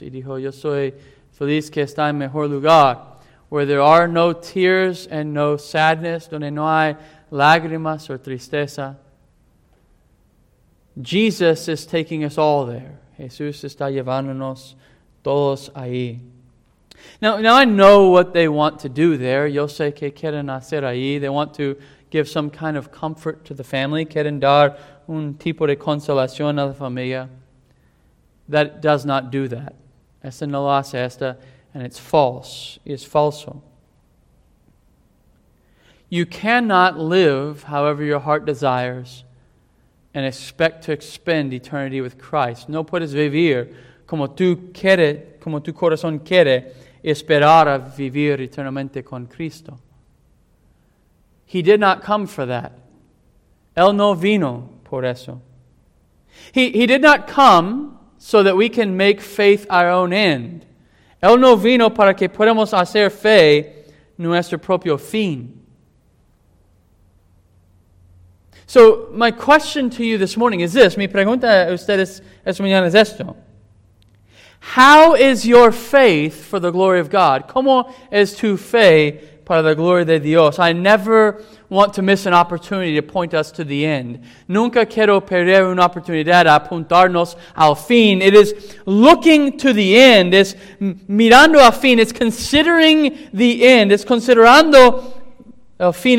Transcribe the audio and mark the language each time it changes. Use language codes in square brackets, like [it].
[es] Y dijo, yo soy feliz que está en mejor lugar, [en] where there are no tears and no sadness, [es] donde no hay lágrimas or tristeza. [en] Jesus is taking us all there. [es] Jesús está llevándonos todos ahí. [en] Now I know what they want to do there. [es] Yo sé que quieren hacer ahí. [en] They want to give some kind of comfort to the family. [es] Quieren dar un tipo de consolación a la familia. [en] That does not do that. [es] Esta no lo hace esta. [en] And it's false. [es] Es falso. [en] You cannot live however your heart desires and expect to spend eternity with Christ. [es] No puedes vivir como tú quieres, como tu corazón quiere, esperar a vivir eternamente con Cristo. [en] He did not come for that. [es] Él no vino por eso. [en] He did not come so that we can make faith our own end. [es] Él no vino para que podamos hacer fe nuestro propio fin. [en] So, my question to you this morning is this. [es] Mi pregunta a ustedes esta mañana es esto. [en] How is your faith for the glory of God? [es] ¿Cómo es tu fe para la gloria de Dios? [en] I never want to miss an opportunity to point us to the end. [es] Nunca quiero perder una oportunidad a apuntarnos al fin. [en] It is looking to the end. [es] Es mirando al fin. [en] It's considering the end. It's [es] considerando el fin.